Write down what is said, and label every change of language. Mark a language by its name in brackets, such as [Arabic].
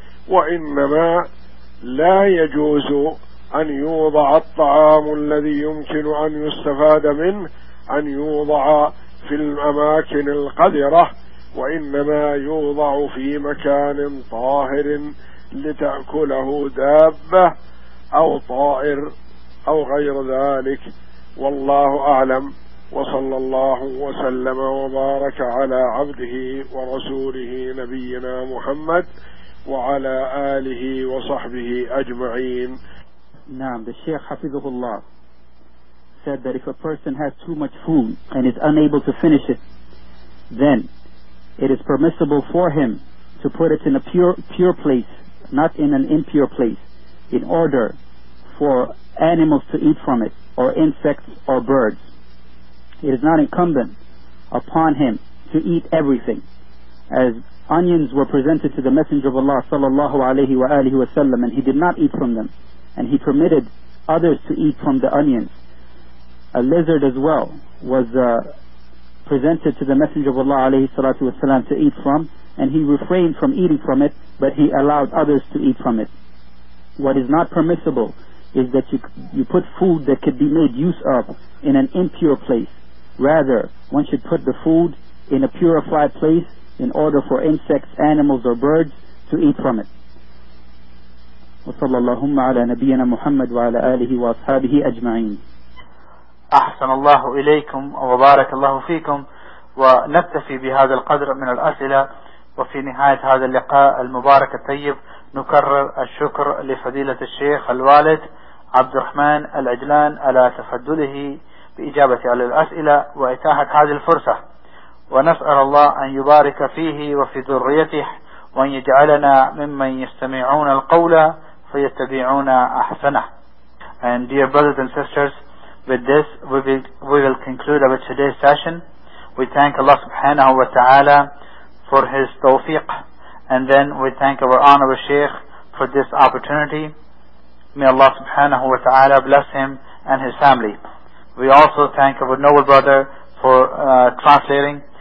[Arabic] وإنما لا يجوز أن يوضع الطعام الذي يمكن أن يستفاد منه أن يوضع في الأماكن القذرة، وإنما يوضع في مكان طاهر لتأكله دابة أو طائر أو غير ذلك. والله أعلم، وصلى الله وسلم وبارك على عبده ورسوله نبينا محمد وعلى آله وصحبه أجمعين. نعم. [English] The Sheikh [Arabic] حفظه الله [English] said that if a person has too much food and is unable to finish it, then it is permissible for him to put it in a pure place, not in an impure place, in order for animals to eat from it, or insects or birds. It is not incumbent upon him to eat everything. As onions were presented to the Messenger of Allah [Arabic] sallallahu alayhi wa alihi wa sallam, [English] and he did not eat from them, and he permitted others to eat from the onions. A lizard as well was presented to the Messenger of Allah [Arabic] alayhi salatu wa sallam [English] to eat from, and he refrained from eating from it, but he allowed others to eat from it. What is not permissible is that you put food that could be made use of in an impure place. Rather, one should put the food in a purified place in order for insects, animals, or birds to eat from it. [Arabic] وصلى اللهم على نبينا محمد وعلى آله وأصحابه أجمعين. أحسن الله إليكم وبارك الله فيكم ونكتفي بهذا القدر من الأسئلة وفي نهاية هذا اللقاء المبارك الطيب نكرر الشكر لفضيلة الشيخ الوالد عبد الرحمن العجلان على تفضله بإجابة على الأسئلة وإتاحة هذه الفرصة ونسأل الله أن يبارك فيه وفي ذريته وأن يجعلنا ممن يستمعون القول فيتبعون أحسنه. [English] And dear brothers and sisters, with this we will conclude our today's session. We thank Allah subhanahu wa ta'ala for his tawfiq, and then we thank our honorable Shaykh for this opportunity. May Allah subhanahu wa ta'ala bless him and his family. We also thank our noble brother for translating.